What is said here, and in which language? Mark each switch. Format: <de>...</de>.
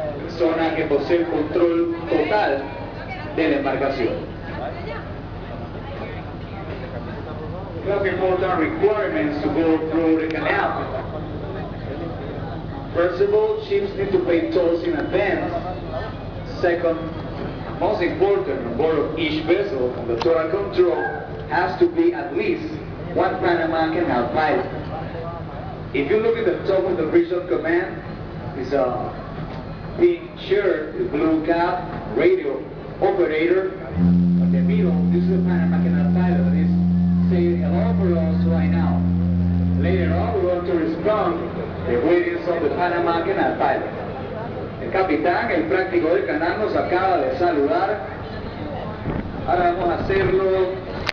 <es>zona que posee el control total de la embarcación.</es> <en>Most important requirements to go through the canal. First of all, ships need to pay tolls in advance. Second, most important, on board of each vessel on the total control has to be at least one Panama Canal pilot. If you look at the top of the regional command, it's a pink shirt, the blue cap, radio operator. At the middle, this is the Panama Canal pilot. It's saying hello for us right now. Later on, we want to respond the greetings of the Panama Canal pilot.</en> <es>El capitán, el práctico del canal, nos acaba de saludar. Ahora vamos a hacerlo</es>